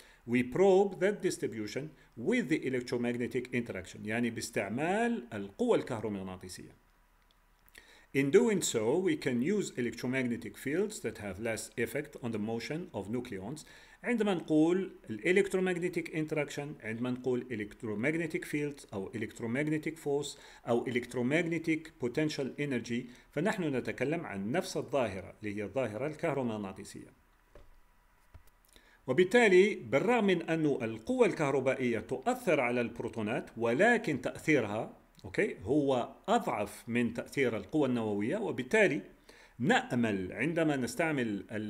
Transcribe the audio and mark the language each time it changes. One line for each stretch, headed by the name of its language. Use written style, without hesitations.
English: We probe that distribution with the electromagnetic interaction.
Arabic: يعني باستعمال القوى الكهرومغناطيسية.
English: In doing so, we can use electromagnetic fields that have less effect on the motion of nucleons.
Arabic: عندما نقول electromagnetic interaction, عندما نقول electromagnetic fields أو electromagnetic force أو electromagnetic potential energy, فنحن نتكلم عن نفس الظاهرة اللي هي الظاهرة الكهرومغناطيسية. وبالتالي بالرغم من أن القوة الكهربائية تؤثر على البروتونات ولكن تأثيرها أوكي هو أضعف من تأثير القوة النووية وبالتالي نأمل عندما نستعمل